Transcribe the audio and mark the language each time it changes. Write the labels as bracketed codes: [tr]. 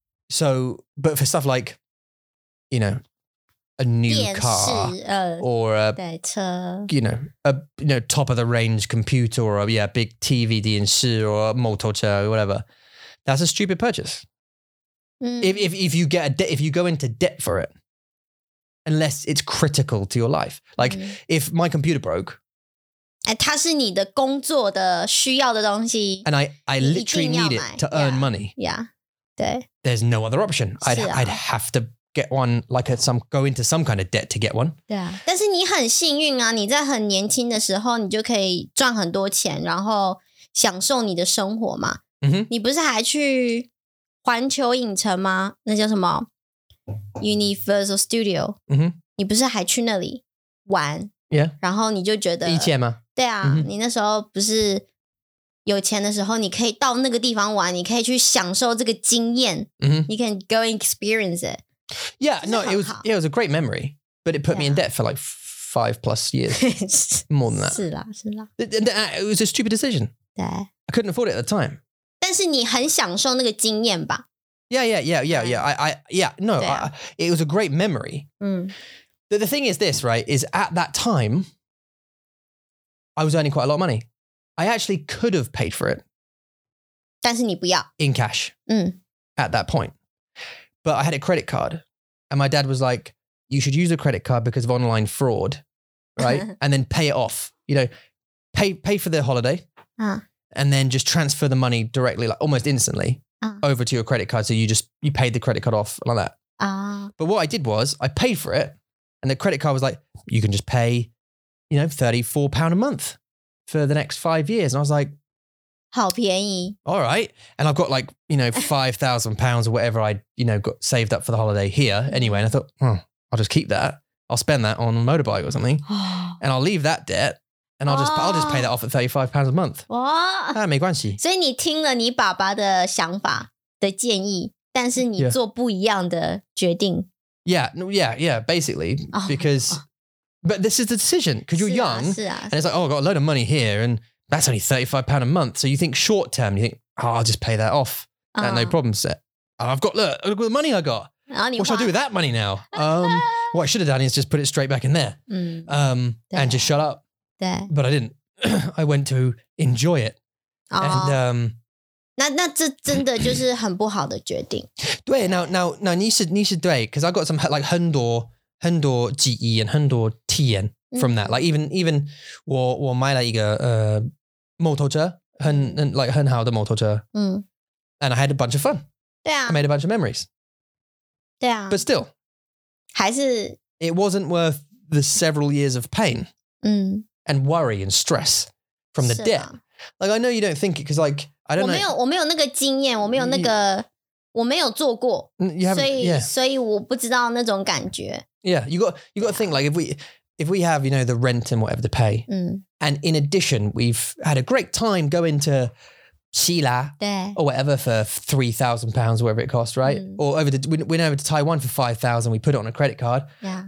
[en] So, but for stuff like, you know, a new car or a, top of the range computer or a big TV, 电视 or a motor车 or whatever, that's a stupid purchase. If you get a debt, if you go into debt for it,Unless it's critical to your life. Like, if my computer broke. [zh] 它是你的工作的需要的东西。 [en] And I literally need it to earn money. Yeah, 对。 There's no other option. I'd have to get one, go into some kind of debt to get one. [zh] 对啊。但是你很幸运啊,你在很年轻的时候,你就可以赚很多钱,然后享受你的生活嘛。你不是还去环球影城吗? 那叫什么?Universal Studio、你不是还去那里玩、 yeah. 然后你就觉得一切吗对啊、你那时候不是有钱的时候你可以到那个地方玩你可以去享受这个经验、 [en] You can go and experience it Yeah, no, it was a great memory But it put me in debt for like 5+ years More than that [zh] 是啦 [en] It was a stupid decision [zh] 对 [en] I couldn't afford it at the time [zh] 但是你很享受那个经验吧 [en] Yeah. It was a great memory. The thing is this, right, is at that time, I was earning quite a lot of money. I actually could have paid for it. [zh] 但是你不要。 [en] In cash. At that point. But I had a credit card. And my dad was like, you should use a credit card because of online fraud, right? And then pay it off. You know, pay for the holiday. And then just transfer the money directly, like almost instantly. Over to your credit card. So you paid the credit card off like that. But what I did was I paid for it and the credit card was like, you can just pay, you know, £34 a month for the next 5 years. And I was like, [zh] 好便宜 [en] All right. And I've got like, you know, £5,000 or whatever I, you know, got saved up for the holiday here anyway. And I thought, oh, I'll just keep that. I'll spend that on a motorbike or something. And I'll leave that debt. And I'll just pay that off at £35 a month. [zh] 哇，那没关系。所以你听了你爸爸的想法的建议，但是你做不一样的决定。 [en] Yeah. Basically, but this is the decision because you're young. [zh] 是啊。 [en] And it's like, oh, I've got a load of money here, and that's only £35 a month. So you think short term, you think, oh, I'll just pay that off. And no problem set. Look at the money I got. What should I do with that money now? What I should have done is just put it straight back in there. And just shut up. But I didn't. I went to enjoy it. And, [zh] 那这真的就是很不好的决定。对, 对 [en] now, [zh] 你是对, [en] because I got some, like, [zh] 很多记忆 [en] and [zh] 很多体验 [en] from that. Like, even [zh] 我买了一个摩托车, 很好的摩托车。 [en] And I had a bunch of fun. [zh] 对啊。 [en] I made a bunch of memories. [zh] 对啊。 [en] But still. [zh] 还是... [en] It wasn't worth the several years of pain. And worry and stress from the debt. Like, I know you don't think it, because like, I don't [zh] 我没有, [en] know. [zh] 我没有那个经验,我没有那个... 我没有做过, [en] you haven't, [zh] 所以, [en] yeah. [zh] 所以我不知道那种感觉。 [en] Yeah, you got to think, like, if we have, you know, the rent and whatever to pay, and in addition, we've had a great time going to Xila or whatever for £3,000, whatever it cost, right? Or over the, we went over to Taiwan for £5,000, we put it on a credit card. Yeah.